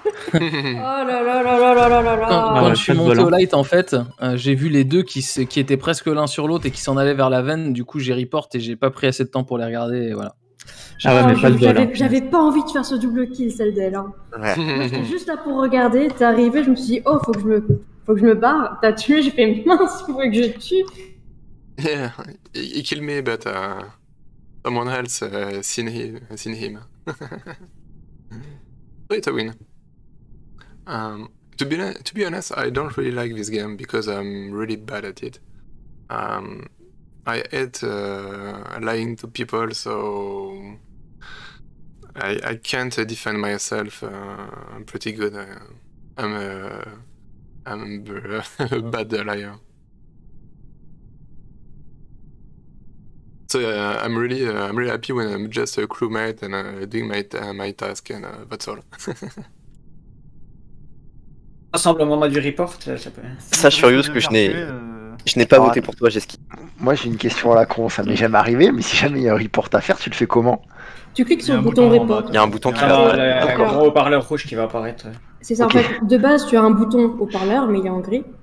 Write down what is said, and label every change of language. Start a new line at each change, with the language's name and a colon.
French: Quand je suis monté au light, en fait, j'ai vu les deux qui étaient presque l'un sur l'autre et qui s'en allaient vers la veine. Du coup, j'ai report et j'ai pas pris assez de temps pour les regarder. Et voilà. J'avais pas envie de faire ce double kill, celle d'elle. Hein. Ouais. J'étais juste là pour regarder. T'es arrivé, je me suis dit, oh, faut que je me barre. T'as tué, j'ai fait mince, faut que je tue.
English: Yeah, he killed me, but someone else seen him.
French: Oui, t'as win.
English: To be honest, I don't really like this game because I'm really bad at it. I hate lying to people, so I can't defend myself pretty good. I'm a bad liar. So I'm really happy when I'm just a crewmate and doing my task and that's all.
French: Rassemblement du report, ça peut... Sache Furious que je n'ai pas voté pour toi, Jeski. Moi j'ai une question à la con, ça m'est jamais arrivé, mais si jamais il y a un report à faire, tu le fais comment? Tu cliques sur le bouton report. Il y a un bouton qui va apparaître. Un gros haut-parleur rouge qui va apparaître. C'est ça, okay. En fait, de base tu as un bouton haut-parleur, mais il est en gris.